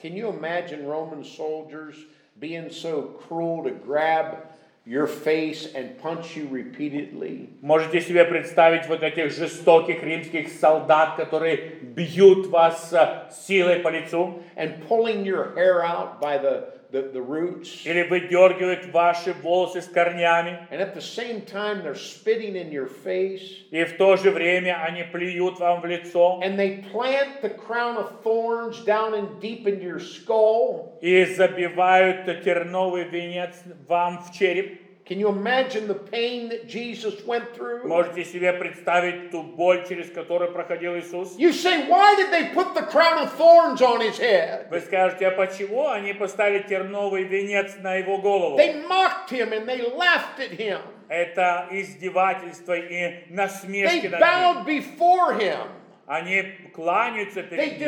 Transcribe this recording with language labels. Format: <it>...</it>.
<en>Can you imagine Roman soldiers being so cruel to grab your face and punch you repeatedly?</en> <ru>Можете себе представить вот этих жестоких римских солдат, которые бьют вас силой по лицу?</ru> <en>And pulling your hair out by the roots?</en> <ru>Или выдергивают ваши волосы с корнями?</ru> <en>And at the same time they're spitting in your face?</en> <ru>И в то же время они плюют вам в лицо?</ru> <en>And they plant the crown of thorns down and deep into your skull?</en> <ru>И забивают терновый венец вам в череп.</ru> <en>Can you imagine the pain that Jesus went through?</en> <ru>Можете себе представить ту боль, через которую проходил Иисус?</ru> <en>You say, why did they put the crown of thorns on his head?</en> <ru>Вы скажете, а почему они поставили терновый венец на его голову?</ru> <en>They mocked him and they laughed at him.</en> <ru>Это издевательство и насмешки над ним.</ru> <en>They bowed before him.</en> <ru>Они кланяются перед ним.</ru>